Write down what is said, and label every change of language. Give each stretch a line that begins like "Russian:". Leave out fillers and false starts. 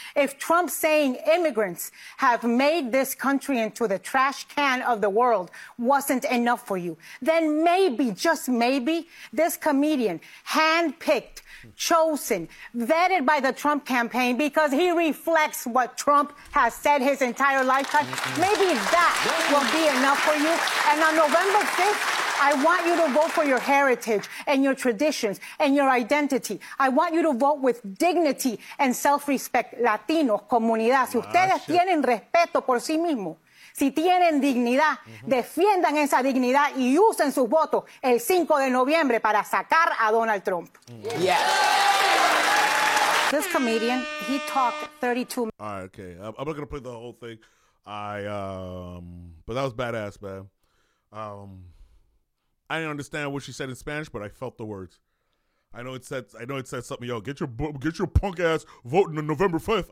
English: If Trump saying immigrants have made this country into the trash can of the world wasn't enough for you, then maybe, just maybe, this comedian, handpicked, chosen, vetted by the Trump campaign because he reflects what Trump has said his entire lifetime, maybe that will be enough for you. And on November 5th, I want you to vote for your heritage and your traditions and your identity. I want you to vote with dignity and self-respect.
Spanish: Latinos, comunidad, si ustedes tienen respeto por sí mismos, si tienen dignidad, mm-hmm. defiendan esa dignidad y usen sus votos el 5 de noviembre para sacar a Donald Trump.
English: Mm-hmm. Yes. This comedian, he talked 32 minutes. All right, okay. I'm not going to play the whole thing. But that was badass, man. I didn't understand what she said in Spanish, but I felt the words. I know it said something, yo, get your punk ass voting on November 5th.